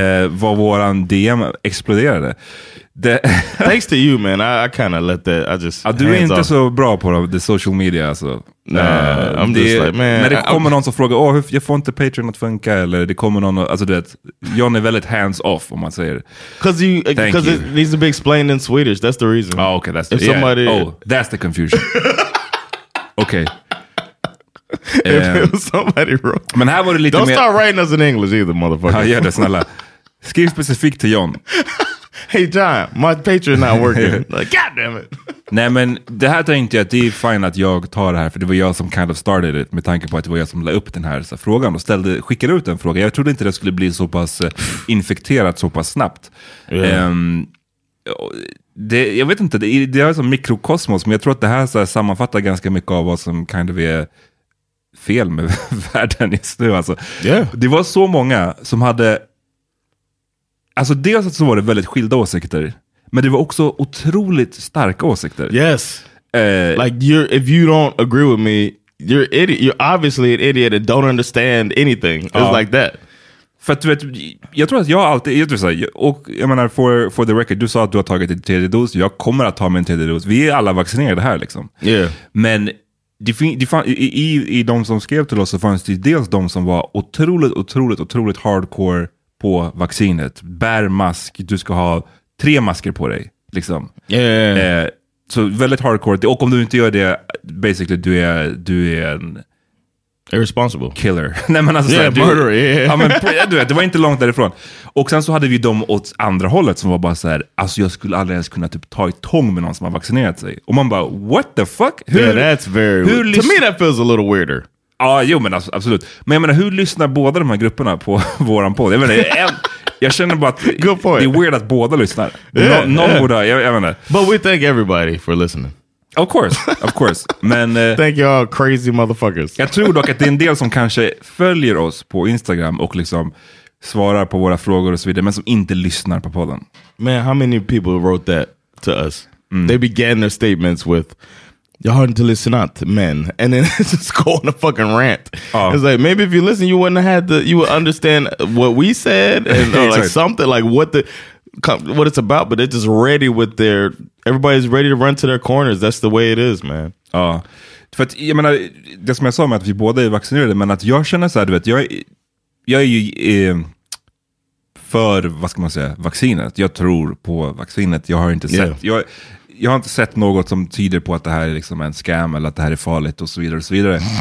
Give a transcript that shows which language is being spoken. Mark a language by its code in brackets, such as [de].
[sv] Var våran DM exploderade. [en] Thanks to you, man. I kind of let that. I just. [sv] Du är inte så bra på det [en] social media, [sv] alltså. [en] Nah, I'm just like, man. [sv] När det kommer någon som frågar, oh, jag får inte Patreon att funka, eller det kommer någon, alltså det, John är väldigt [en] hands off, [sv] om man säger. [en] Because it needs to be explained in Swedish. That's the reason. Oh, okay, that's the, somebody. Oh, that's the confusion. Okay. If somebody wrote, [sv] men här var det lite [en] don't [sv] mer, [en] start writing us in English either, motherfucker. [sv] Ja, det snälla. Skriv specifikt till John. [en] Hey John, my Patreon not working. Like, god damn it. [sv] Nej, men det här tänkte jag att det är fine att jag tar det här, för det var jag som [en] kind of started it, [sv] med tanke på att det var jag som la upp den här så frågan och skickade ut en fråga. Jag trodde inte det skulle bli så pass infekterat så pass snabbt. [en] Yeah. [sv] Jag vet inte, det är som mikrokosmos, men jag tror att det här så här sammanfattar ganska mycket av vad som [en] kind of [sv] är fel med världen just nu, alltså. [en] Yeah. [sv] Det var så många som hade, alltså dels så var det väldigt skilda åsikter, men det var också otroligt starka åsikter. [en] Yes. Like, you're, if you don't agree with me, you're idiot. You're obviously an idiot and don't understand anything. It's like that. [sv] För att du vet, jag tror att jag alltid, jag tror så här, och jag menar, [en] for the record, [sv] du sa att du har tagit din tredje dos, jag kommer att ta min tredje dos. Vi är alla vaccinerade här liksom. [en] Yeah. [sv] Men i de som skrev till oss så fanns det dels de som var otroligt, otroligt, otroligt hardcore på vaccinet. Bär mask, du ska ha tre masker på dig, liksom. [en] Yeah. [sv] Så väldigt hardcore. Och om du inte gör det, [en] basically, [sv] du är en [en] irresponsible killer. [sv] Nej, men alltså, [en] yeah, murderer. Yeah. [sv] Ja, men du vet, det var inte långt därifrån. Och sen så hade vi dem åt andra hållet som var bara så här, alltså jag skulle aldrig ens kunna typ ta i tång med någon som har vaccinerat sig. Och man bara, [en] what the fuck? Hur, yeah, that's very hur, to me that feels a little weirder. [sv] Ja, jo, men alltså, absolut. Men jag menar, hur lyssnar båda de här grupperna på våran podd? Jag menar, jag känner bara att [en] good point. [sv] Det är weird att båda lyssnar. Någon borde, jag menar. [en] But we thank everybody for listening. Of course, of course. [sv] Men [en] thank you all crazy motherfuckers. [sv] Jag tror dock att det är en del som kanske följer oss på Instagram och liksom svarar på våra frågor och så vidare, men som inte lyssnar på podden. [en] Man, how many people wrote that to us? Mm. They began their statements with, [sv] "Jag har inte lyssnat, men," [en] and then it's just going a fucking rant. Oh. It's like, maybe if you listen, you wouldn't have had the, you would understand what we said and or like something like what it's about, but they're just ready with their, everybody's ready to run to their corners. That's the way it is, man. [sv] Ja, för att jag menar, det som jag sa med att vi båda är vaccinerade, men att jag känner så här, du vet, jag är ju för, vad ska man säga, vaccinet. Jag tror på vaccinet. Jag har inte sett, jag har inte sett något som tyder på att det här är liksom en scam eller att det här är farligt och så vidare och så vidare.